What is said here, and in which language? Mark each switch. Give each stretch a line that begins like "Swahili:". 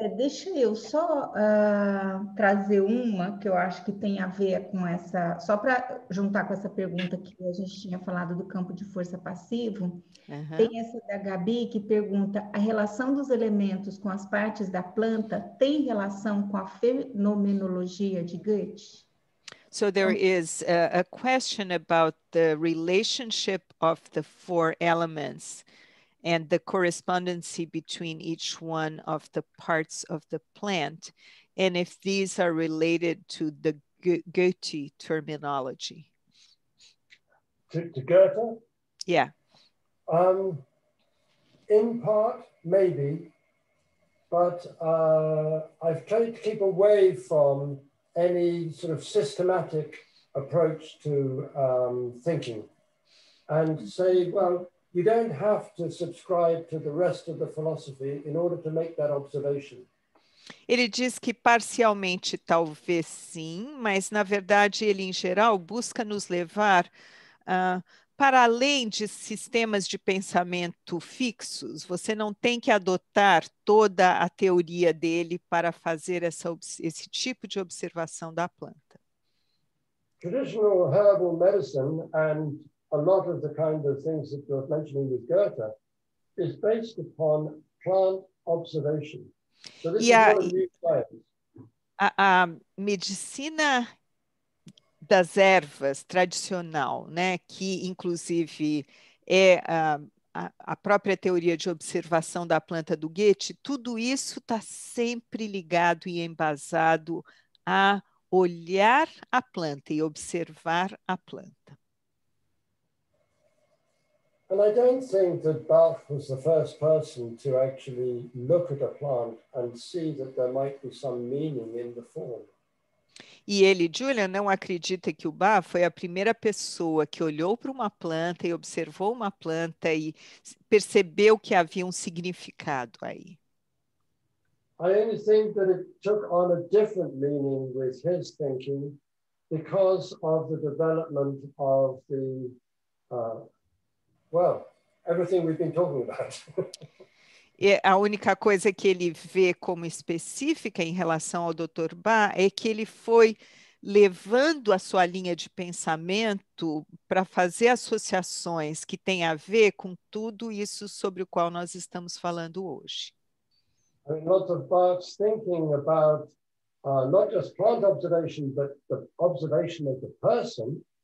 Portuguese: Deixa eu só trazer uma que eu acho que tem a ver com essa, só para juntar com essa pergunta que a gente tinha falado do campo de força passivo. Tem essa da Gabi que pergunta: a relação dos elementos com as partes da planta tem relação com a fenomenologia de Goethe?
English: So there is a question about the relationship of the four elements and the correspondency between each one of the parts of the plant, and if these are related to the Goethe terminology. To Goethe? Yeah. In part, maybe, but I've tried to keep away from any sort of systematic approach to thinking and say, well, you don't have to subscribe to the rest of the philosophy in order to make that observation.
Portuguese: Ele diz que parcialmente talvez sim, mas na verdade ele, em geral, busca nos levar para além de sistemas de pensamento fixos. Você não tem que adotar toda a teoria dele para fazer esse tipo de observação da planta.
English: Traditional herbal medicine and a lot of the kind of things that you're mentioning with Goethe is based upon plant observation. So this
Portuguese: E
English: is a not a new science.
Portuguese: medicina das ervas tradicional, né, que inclusive é a própria teoria de observação da planta do Goethe, tudo isso está sempre ligado e embasado a olhar a planta e observar a planta.
English: And I don't think that Bach was the first person to actually look at a plant and see that there might be some meaning in the form.
Portuguese: E ele, Julian, não acredita que o Bach foi a primeira pessoa que olhou para uma planta e observou uma planta e percebeu que havia um significado aí.
English: I only think that it took on a different meaning with his thinking because of the development of the well, everything we've been talking about.
Portuguese: E a única coisa que ele vê como específica em relação ao Dr. Bach é que ele foi levando a sua linha de pensamento para fazer associações que têm a ver com tudo isso sobre o qual nós estamos falando hoje.
English: I mean, lots of Bach's thinking about not just plant observation, but the observation of the person.